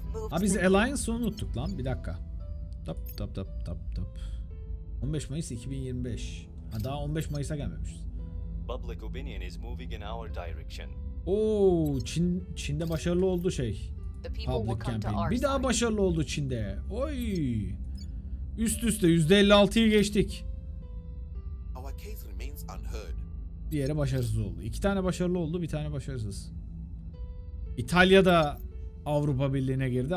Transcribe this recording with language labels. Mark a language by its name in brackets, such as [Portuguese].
[Turkish] Ha biz Alliance'ı unuttuk lan. Bir dakika. Tap tap tap tap tap. 15 Mayıs 2025. Ha daha 15 Mayıs'a gelmemişiz. [English] Public opinion is moving in our direction. [Turkish] Oo, Çin'de başarılı oldu şey. Public campaign. Bir daha başarılı oldu Çin'de. Oy! Üst üste %56'yı geçtik. [English] Our case remains unheard. [Turkish] Diğeri başarısız oldu. İki tane başarılı oldu, bir tane başarısız. İtalya da Avrupa Birliği'ne girdi.